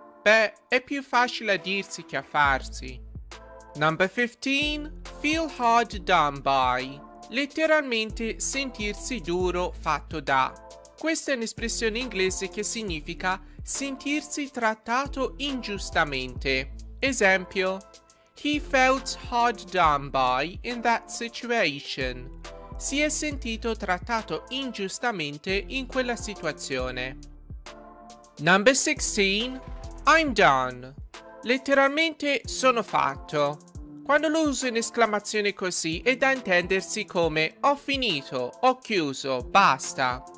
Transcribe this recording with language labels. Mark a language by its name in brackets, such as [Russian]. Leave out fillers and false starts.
[Italian] Beh, è più facile a dirsi che a farsi. [English] Number 15. Feel hard done by. [Italian] Letteralmente sentirsi duro fatto da. Questa è un'espressione inglese che significa sentirsi trattato ingiustamente. [English] Esempio: He felt hard done by in that situation. [Italian] Si è sentito trattato ingiustamente in quella situazione. [English] Number 16. I'm done. [Italian] Letteralmente sono fatto. Quando lo uso in esclamazione così è da intendersi come ho finito, ho chiuso, basta.